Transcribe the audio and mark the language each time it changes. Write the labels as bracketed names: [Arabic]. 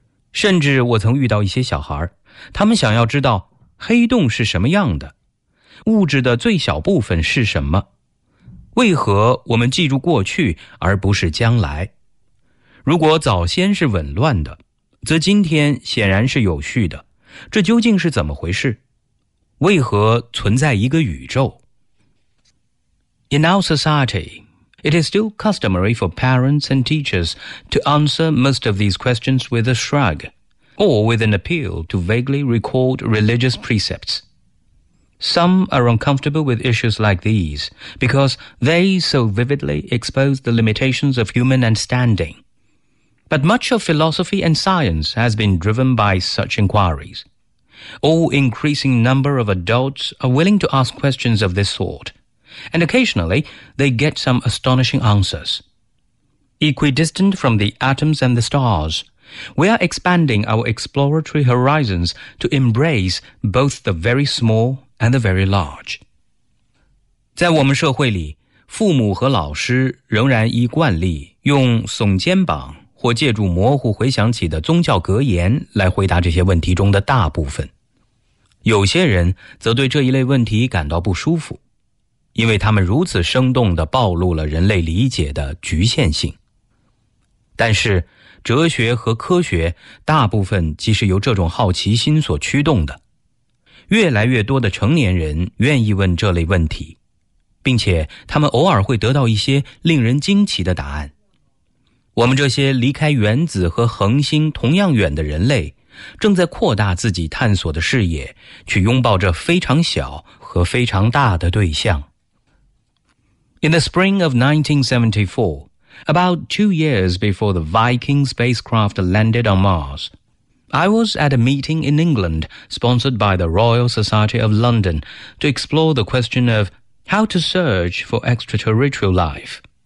[Chinese] 甚至我曾遇到一些小孩，他们想要知道黑洞是什么样的，物质的最小部分是什么，为何我们记住过去而不是将来。如果早先是紊乱的，则今天显然是有序的，这究竟是怎么回事？为何存在一个宇宙？ [English] In our society, it is still customary for parents and teachers to answer most of these questions with a shrug, or with an appeal to vaguely recalled religious precepts. Some are uncomfortable with issues like these because they so vividly expose the limitations of human understanding. But much of philosophy and science has been driven by such inquiries. All increasing number of adults are willing to ask questions of this sort, and occasionally they get some astonishing answers. Equidistant from the atoms and the stars, we are expanding our exploratory horizons to embrace both the very small and the very large. [Chinese] 在我们社会里，父母和老师仍然依惯例用耸肩膀或借助模糊回想起的宗教格言来回答这些问题中的大部分。有些人则对这一类问题感到不舒服，因为他们如此生动地暴露了人类理解的局限性。但是，哲学和科学大部分即是由这种好奇心所驱动的。越来越多的成年人愿意问这类问题，并且他们偶尔会得到一些令人惊奇的答案。我们这些离开原子和恒星同样远的人类，正在扩大自己探索的视野，去拥抱这非常小和非常大的对象。 [English] In the spring of 1974, about 2 years before the Viking spacecraft landed on Mars, I was at a meeting in England sponsored by the Royal Society of London to explore the question of how to search for extraterrestrial life.